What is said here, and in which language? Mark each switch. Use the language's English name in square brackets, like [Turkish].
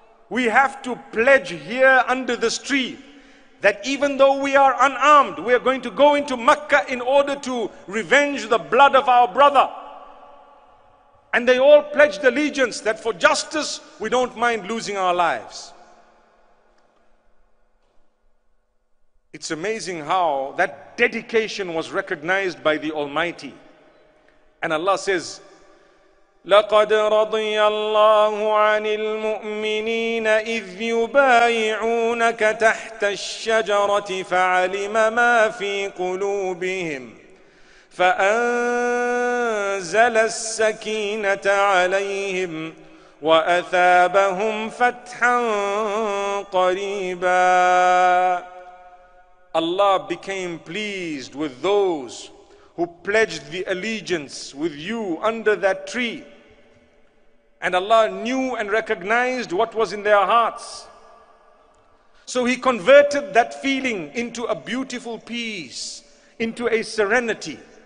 [English] We have to pledge here under this tree that even though we are unarmed, we are going to go into Mecca in order to revenge the blood of our brother. And they all pledged allegiance that for justice, we don't mind losing our lives. It's amazing how that dedication was recognized by the Almighty. [Arabic] And Allah says, لَقَدْ رَضِيَ اللَّهُ عَنِ الْمُؤْمِنِينَ إِذْ يُبَايِعُونَكَ تَحْتَ الشَّجَرَةِ فَعَلِمَ مَا فِي قُلُوبِهِمْ فَأَنزَلَ السَّكِينَةَ عَلَيْهِمْ وَأَثَابَهُمْ فَتْحًا قَرِيبًا. [English] Allah became pleased with those who pledged the allegiance with you under that tree. And Allah knew and recognized what was in their hearts. So He converted that feeling into a beautiful peace, into a serenity.